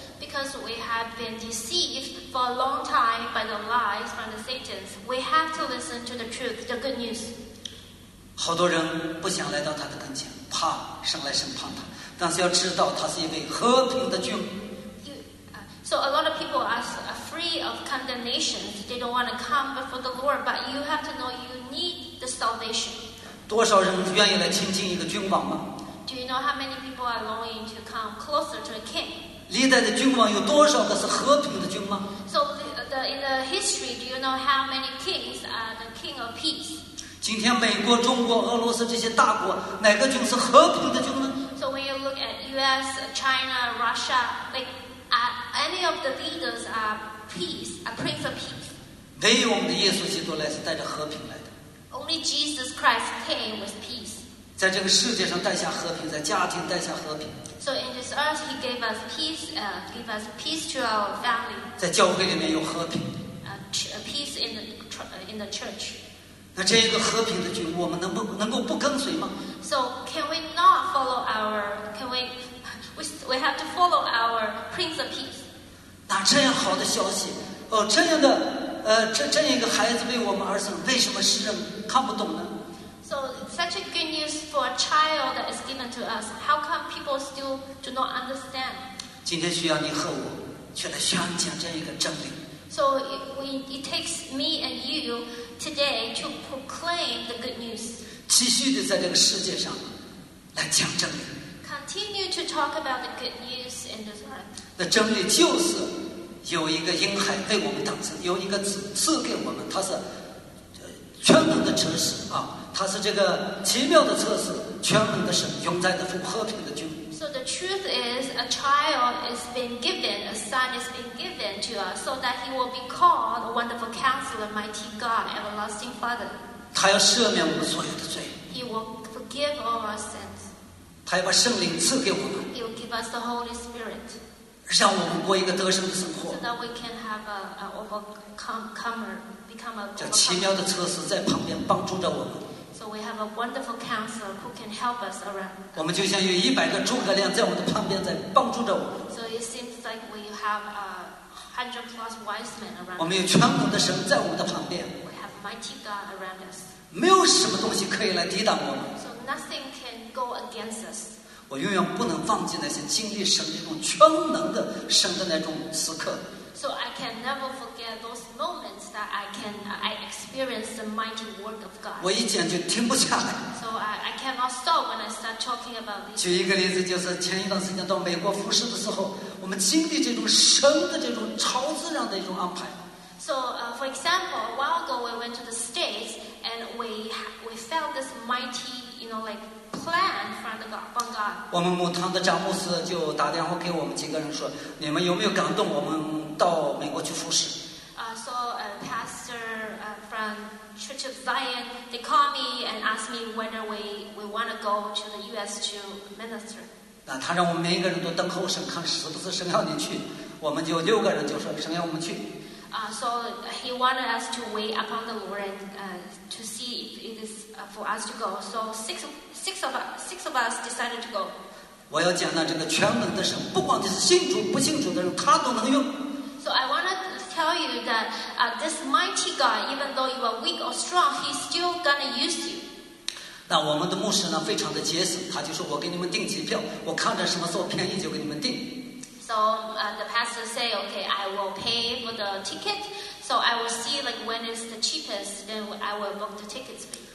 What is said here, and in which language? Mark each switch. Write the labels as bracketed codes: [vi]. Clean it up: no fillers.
[en] Because we have been deceived for a long time by the lies from the Satan, we have to listen to the truth, the good news. [zh] 好多人不想来到他的跟前，怕生来审判他。但是要知道，他是一位和平的君。 [en] So a lot of people are free of condemnation. They don't want to come before the Lord. But you have to know, you need the salvation. [zh] 多少人愿意来亲近一个君王吗 [en] ？Do you know how many people are longing to come closer to a king? [zh] 历代的君王有多少个是和平的君王 [en] ？So in the history, do you know how many kings are the king of peace? [zh] 今天美国、中国、俄罗斯这些大国，哪个君是和平的君呢 [en] ？So when you look at U.S., China, Russia, like any of the leaders are peace, a prince of peace. [zh] 唯有我们的耶稣基督来是带着和平来的。 [en] Only Jesus Christ came with peace. [zh] 在这个世界上带下和平，在家庭带下和平。 [en] So in this earth, he gave us peace, gave us peace to our family. [zh] 在教会里面有和平。 [en] Peace in the church. [zh] 那这个和平的君，我们能够不跟随吗 [en] ？So can we not follow our? Can we have to follow our Prince of Peace? [zh] 那这样好的消息，哦，这样的这样一个孩子为我们而生，为什么世人看不懂呢？ [en] So such a good news for a child that is given to us. How come people still do not understand? [zh] 今天需要你和我去来宣讲这样一个真理。 [en] So it takes me and you today to proclaim the good news. [zh] 继续的在这个世界上来讲真理。 [en] Continue to talk about the good news in this world. [zh] 那真理就是有一个婴孩为我们诞生，有一个子赐给我们，他是全能的真实啊。他是这个奇妙的测试，全能的神，永在的父，和平的君。 [en] So the truth is, a child is being given, a son is being given to us, so that he will be called a wonderful Counselor, Mighty God, Everlasting Father. [zh] 他要赦免我们所有的罪。 [en] He will forgive all our sins. [zh] 他要把圣灵赐给我们。 [en] He will give us the Holy Spirit. [zh] 让我们过一个得胜的生活。 [en] So that we can have an overcomer, become a. [zh] 这奇妙的测试在旁边帮助着我们。 [en] So we have a wonderful counselor who can help us around. [zh] 我们就像有100个诸葛亮在我们的旁边，在帮助着我们。 [en] So it seems like we have a 100+ wise men around. [zh] 我们有全能的神在我们的旁边。 [en] We have mighty God around us. [zh] 没有什么东西可以来抵挡我们。 [en] So nothing can go against us. [zh] 我永远不能忘记那些经历神那种全能的神的那种时刻。 [en] So I can never forget those moments that I experience the mighty work of God. [zh] 我一讲就停不下来。 [en] So I cannot stop when I start talking about this. [zh] 举一个例子，就是前一段时间到美国服事的时候，我们经历这种神的这种超自然的一种安排。 [en] So for example, a while ago we went to the States and we felt this mighty, you know, like plan from God. God. [zh] 我们牧堂的张牧师就打电话给我们几个人说，你们有没有感动我们到美国去服侍？ [en] Pastor from Church of Zion, they called me and asked me whether we want to go to the U.S. to minister. [zh] 那他让我们每一个人都瞪口神，看是不是神要你去。我们就六个人就说神要我们去。 [en] So he wanted us to wait upon the Lord and to see if it is for us to go. So six of us decided to go. [zh] 我要见到这个全能的神，不管你是信主不信主的人，他都能用。 [en] So I want to tell you that this mighty God, even though you are weak or strong, He's still gonna use you. [zh] 那我们的牧师呢，非常的节省，他就说我给你们订机票，我看着什么时候便宜就给你们订。 [en] So the pastor say, okay, I will pay for the ticket. So I will see like when is the cheapest, then I will book the tickets.